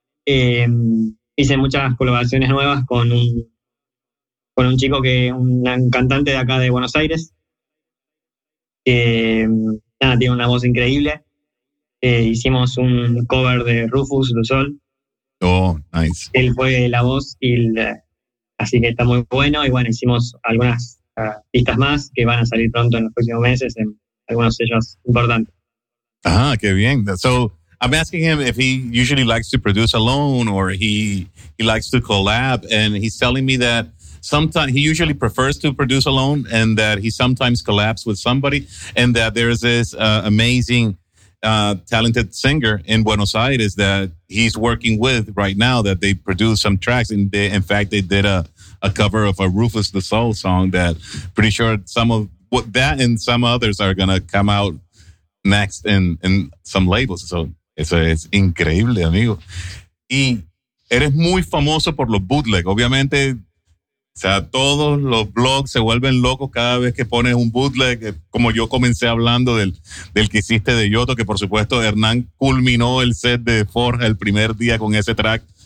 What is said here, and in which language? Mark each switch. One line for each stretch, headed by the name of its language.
Spanish: Hice muchas colaboraciones nuevas con un chico que es un cantante de acá de Buenos Aires, que tiene una voz increíble. Hicimos un cover de Rufus Du Sol.
English: Oh, nice.
Spanish: Él fue la voz y así que está muy bueno. Y bueno, hicimos algunas pistas más que van a salir pronto en los próximos meses en algunos sellos importantes. Ah, qué bien.
English: So I'm asking him if he usually likes to produce alone or he likes to collab, and he's telling me that sometimes he usually prefers to produce alone and that he sometimes collabs with somebody, and that there is this amazing talented singer in Buenos Aires that he's working with right now, that they produced some tracks, and they, in fact, they did a cover of a Rufus the Soul song that pretty sure some of what that and some others are gonna come out next in some labels. So it's
Spanish: increíble, amigo. Y eres muy famoso por los bootleg, obviamente. O sea, todos los blogs se vuelven locos cada vez que pones un bootleg, como yo comencé hablando del que hiciste de Yoto, que por supuesto Hernán culminó el set de Forja el primer día con ese track.